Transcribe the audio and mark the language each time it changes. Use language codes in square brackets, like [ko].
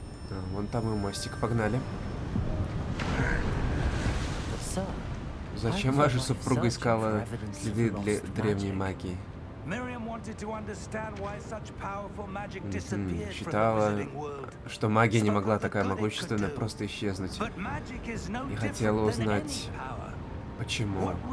[ru] А, вон там и мостик, погнали. Зачем ваша супруга искала следы для древней магии? [en] Miriam wanted to understand why such powerful magic disappeared from the world. [ru] Считала, что магия не могла такая могущественная просто исчезнуть. И хотела узнать, почему.